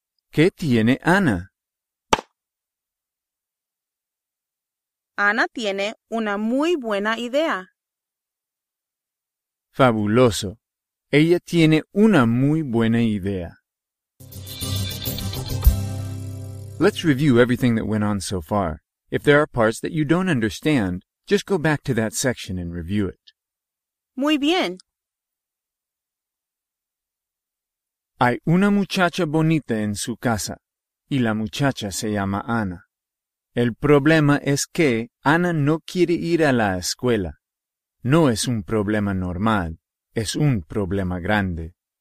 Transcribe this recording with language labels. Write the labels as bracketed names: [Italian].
[Spanish] ¿Qué tiene Ana? Ana tiene una muy buena idea. Fabuloso. Ella tiene una muy buena idea. [English] Let's review everything that went on so far. If there are parts that you don't understand, just go back to that section and review it. [Spanish] Muy bien. Hay una muchacha bonita en su casa, y la muchacha se llama Ana. El problema es que Ana no quiere ir a la escuela. No es un problema normal, es un problema grande.